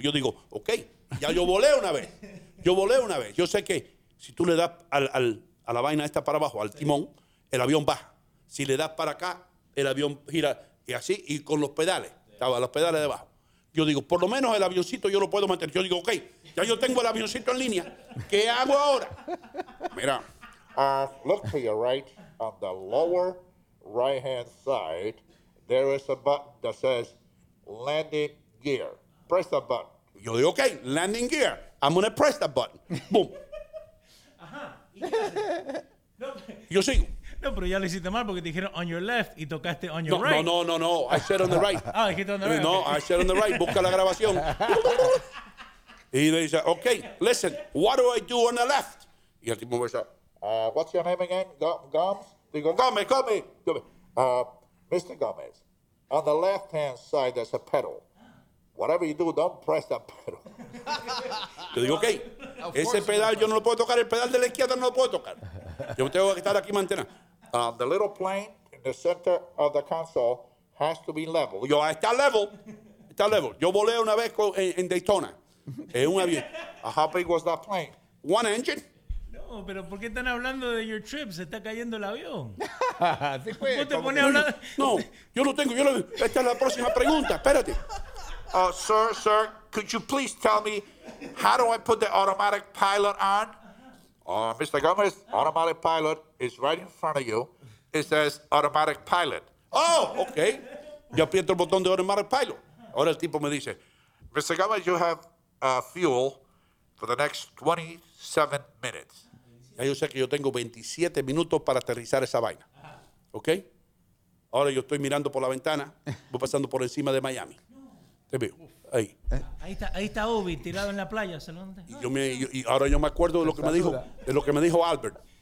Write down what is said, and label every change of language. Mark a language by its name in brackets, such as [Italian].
[Spanish] Yo digo, ok, ya yo volé una vez. Yo sé que si tú le das a la vaina esta para abajo, al timón, el avión baja. Si le das para acá, el avión gira y así, y con los pedales. Estaba los pedales debajo. Yo digo, por lo menos el avioncito yo lo puedo mantener. Yo digo, ok, ya yo tengo el avioncito en línea. ¿Qué hago ahora? [English] Mira, look to your right, on the lower right hand side, there is a button that says landing gear. Press the button. [Spanish] Yo digo, [English] ok, landing gear. I'm going to press that button. Boom. [Spanish] Ajá. Yo sigo. No, pero ya lo hiciste mal porque te dijeron [English] on your left [Spanish] y tocaste [English] on your right. No. I said on the right. [Spanish] Ah, dijiste [English] on the right. No, okay. I said on the right. [Spanish] Busca la grabación. Y le dice, [English] ok, listen, what do I do on the left? [Spanish] Y el tipo me dice, [English] what's your name again? [Spanish] Gomes? Digo, Gomes. Mr. [English] Gomes, on the left-hand side there's a pedal. Whatever you do, don't press that pedal. [Spanish] Yo digo, ok, ese pedal yo no lo puedo tocar, el pedal de la izquierda no lo puedo tocar. Yo tengo que estar aquí mantenido. [English] The little plane in the center of the console has to be level. [Spanish] Yo, está level. Yo volé una vez en Daytona, en un avión. [English] How big was that plane? One engine. [Spanish] No, pero ¿por qué están hablando de [English] your trip? [Spanish] Se está cayendo el avión. Sí, pues, ¿cómo te pones a hablar? No, yo lo tengo. Esta es la próxima pregunta, espérate. [English] Sir, could you please tell me how do I put the automatic pilot on? Mr. Gomez, automatic pilot is right in front of you. It says automatic pilot. Oh, okay. [Spanish] Yo aprieto el botón de [English] automatic pilot. [Spanish] Ahora el tipo me dice, Mr. [English] Gomez, you have fuel for the next 27 minutes. [Spanish] Ya yo sé que yo tengo 27 minutos para aterrizar esa vaina. Okay. Ahora yo estoy mirando por la ventana, voy pasando por encima de Miami. Te veo. Ahí. Ahí está Obi tirado en la playa. ¿Se lo y, yo me, yo, y ahora yo me acuerdo de lo que me dijo, de lo que me dijo Albert.